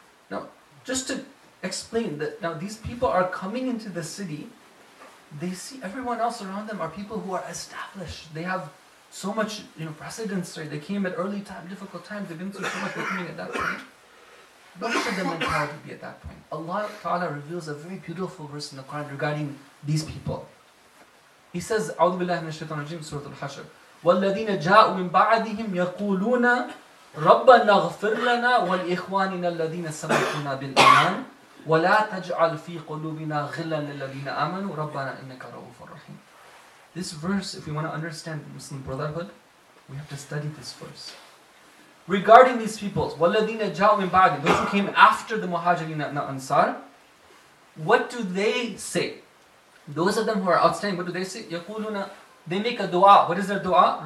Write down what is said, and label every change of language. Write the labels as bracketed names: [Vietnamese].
[English] Now, just to explain that, now these people are coming into the city, they see everyone else around them are people who are established. They have so much, precedence, right? They came at early time, difficult times, they've been through so much, they're coming at that point. What should the mentality be at that point? Allah Ta'ala reveals a very beautiful verse in the Quran regarding these people. He says, [Arabic] أعوذ بالله من الشيطان الرجيم سورة الحشر والذين جاءوا من بعدهم يقولون ربنا اغفر لنا ولإخواننا الذين سبقونا بالإيمان ولا تجعل في قلوبنا غلا للذين آمنوا ربنا إنك رؤوف رحيم. [English] This verse, if we want to understand Muslim Brotherhood, we have to study this verse. Regarding these peoples, [Arabic] والذين جاءوا من بعدهم, [English] those who came after the Muhajirin and the Ansar, what do they say? Those of them who are outstanding, what do they say? [Arabic] يَقُولُونَ [English] They make a dua. What is their dua?